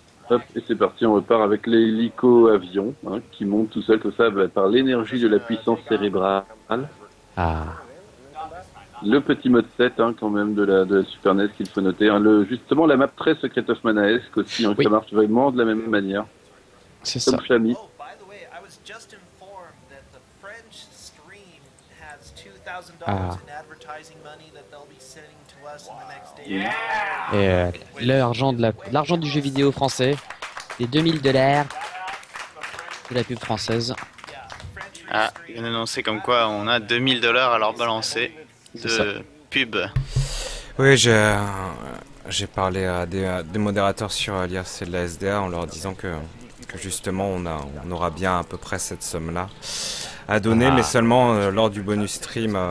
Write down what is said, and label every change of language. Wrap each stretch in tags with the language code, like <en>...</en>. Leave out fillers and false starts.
<fr>Hop, et c'est parti, on repart avec l'hélico avion, hein, qui monte tout seul comme ça par l'énergie de la puissance cérébrale. Ah. Le petit mode 7, hein, quand même, de la Super NES qu'il faut noter. Hein, justement, la map très Secret of Mana-esque aussi, hein, oui. Qui marche vraiment de la même manière. C'est comme ça. Flammy.</fr> <en>Oh, by the way, I was just informed that the French screen has $2,000 in advertising money that they'll be sending to us in the next day. Yeah.</en> <fr>Et l'argent du jeu vidéo français, les $2000 de la pub française. Ah, il vient d'annoncer comme quoi on a $2000 à leur balancer de pub. Oui, j'ai parlé à des modérateurs sur l'IRC de la SDA en leur disant que justement on aura bien à peu près cette somme-là à donner, mais seulement lors du bonus stream.</fr>